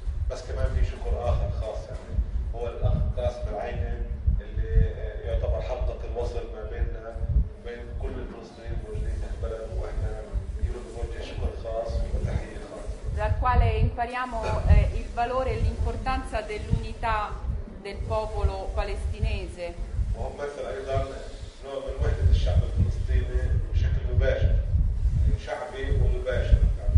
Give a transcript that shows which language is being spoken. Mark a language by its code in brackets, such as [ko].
[ar] بس كمان في شكر آخر خاص يعني هو الأخ قاسم بالعينه اللي يعتبر حلقة الوصل ما بيننا وبين كل الفلسطينيين الموجودين في البلد وإحنا بنوجه شكر خاص وتحية خاصة. [it] dal quale impariamo il valore e l'importanza dell'unità del popolo palestinese. [ar] ومثل أيضا نوع من وحدة الشعب الفلسطيني بشكل مباشر شعبي ومباشر.